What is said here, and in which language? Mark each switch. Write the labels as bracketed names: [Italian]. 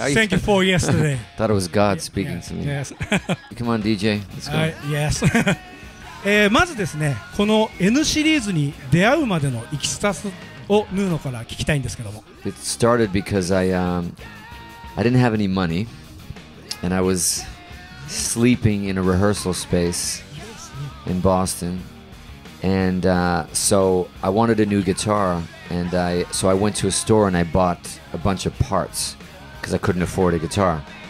[English] How thank you, you for yesterday. Thought it was God speaking to me. Yes. Come on, DJ. Let's go. Yes. [Japanese] まずですね、この N シリーズに出会うまでのいきさつをヌーノから聞きたいんですけども。 [English] It started because I didn't have any money and I was sleeping in a rehearsal space in Boston. And so I wanted a new guitar and I went to a store and I bought a bunch of parts because I couldn't afford a guitar.